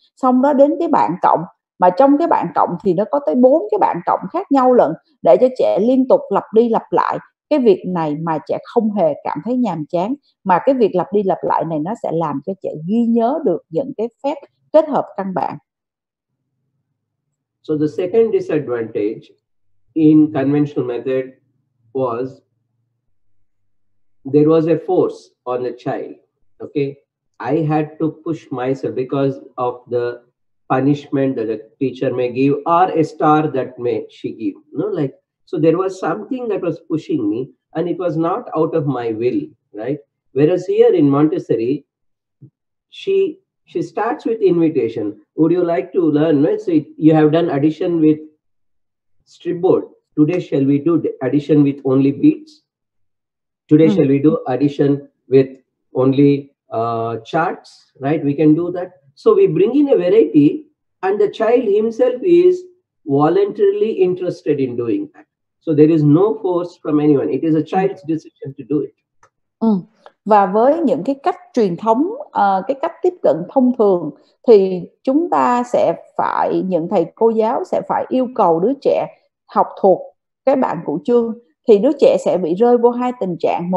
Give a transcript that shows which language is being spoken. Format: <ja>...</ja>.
<vi>Xong đó đến cái bảng cộng, mà trong cái bảng cộng thì nó có tới 4 cái bảng cộng khác nhau lận để cho trẻ liên tục lặp đi lặp lại cái việc này mà trẻ không hề cảm thấy nhàm chán, mà cái việc lặp đi lặp lại này nó sẽ làm cho trẻ ghi nhớ được những cái phép kết hợp căn bản.</vi> <en>So the second disadvantage in conventional method was there was a force on the child. Okay, I had to push myself because of the punishment that the teacher may give or a star that may she give. No, like, so there was something that was pushing me and it was not out of my will, right? Whereas here in Montessori, she starts with invitation. Would you like to learn? Let's say you have done addition with strip board. Today shall we do addition with only beads? Today shall we do addition with only charts, right? We can do that. So we bring in a variety and the child himself is voluntarily interested in doing that. So there is no force from anyone. It is a child's decision to do it.</en> <vi>Ừ. Và với những cái cách truyền thống, cái cách tiếp cận thông thường, thì chúng ta sẽ phải, những thầy cô giáo sẽ phải yêu cầu đứa trẻ học thuộc cái bảng cụ chương, thì đứa trẻ sẽ bị rơi vô hai tình trạng.</vi>